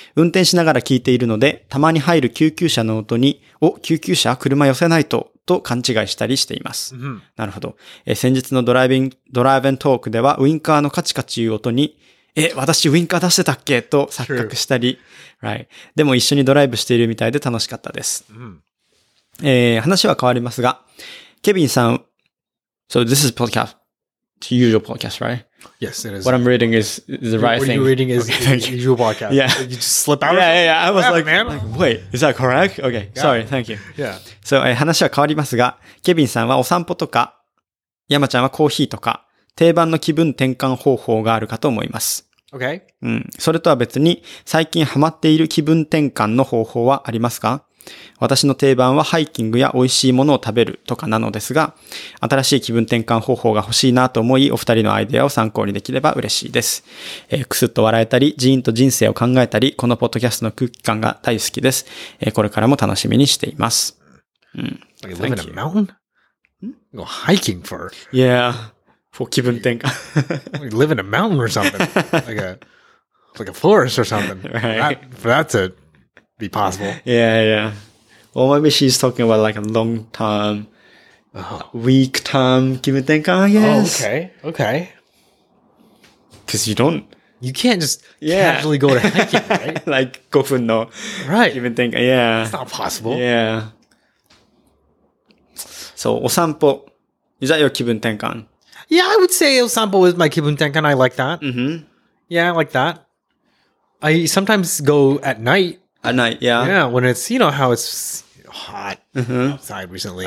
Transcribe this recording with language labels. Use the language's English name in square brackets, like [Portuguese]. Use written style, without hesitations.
[Japanese] 運転しながら聞いているので、たまに入る救急車の音に、お、救急車、車寄せないと、と勘違いしたりしています。 Mm-hmm. なるほど。先日のドライブントークでは、ウインカーのカチカチいう音に、え、私ウインカー出してたっけと錯覚したり、right. でも一緒にドライブしているみたいで楽しかったです。 Mm-hmm. 話は変わりますが、ケビンさん、 [English] so this is podcast, it's usual podcast, right? Yes, it is. What I'm reading is the right thing. What you're reading is okay, usual podcast. Yeah. You just slip out. Yeah. I was like, wait, is that correct? Okay, sorry, thank you. Yeah. So, [Japanese] 話は変わりますが、ケビンさんはお散歩とか、山ちゃんはコーヒーとか、定番の気分転換方法があるかと思います。 [English] Okay. [Japanese] うん。それとは別に、最近ハマっている気分転換の方法はありますか？私の定番はハイキングや美味しいものを食べるとかなのですが、新しい気分転換方法が欲しいなと思い、お二人のアイデアを参考にできれば嬉しいです。くすっと笑えたり、ジーンと人生を考えたり、このポッドキャストの空気感が大好きです。これからも楽しみにしています。 [English] Are you living in a mountain? Go hiking for? Yeah, for 気分転換. You live in a mountain or something? Like a forest or something? Right. That's it. Be possible. Yeah. Well, maybe she's talking about like a long term, week term 気分転換, I guess. Oh, okay. Because you don't... You can't just casually go to hiking, right? Like [Japanese] 5分の気分転換, [English] yeah. It's not possible. Yeah. So, お散歩, is that your 気分転換? Yeah, I would say お散歩 is my 気分転換. I like that. Mm-hmm. Yeah, I like that. I sometimes go at night. At night, yeah. Yeah, when it's, you know, how it's hot outside recently.